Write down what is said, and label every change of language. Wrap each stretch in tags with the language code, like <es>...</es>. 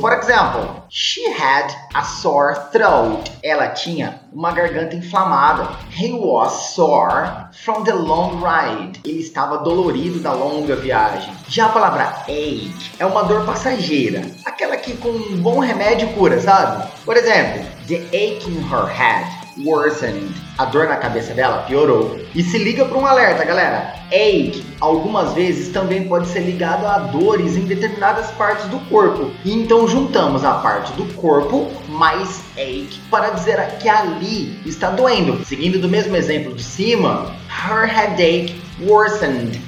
<en>For example, she had a sore throat.</en> <pt>Ela tinha uma garganta inflamada.</pt> <en>He was sore from the long ride.</en> <pt>Ele estava dolorido da longa viagem. Já a palavra ache é uma dor passageira. Aquela que com um bom remédio cura, sabe? Por exemplo,</pt> <en>the ache in her head worsened.</en> <pt>A dor na cabeça dela piorou. E se liga para um alerta, galera. Ache, algumas vezes, também pode ser ligado a dores em determinadas partes do corpo. E então juntamos a parte do corpo mais ache para dizer que ali está doendo. Seguindo do mesmo exemplo de cima,</pt> <en>her headache worsened.</en>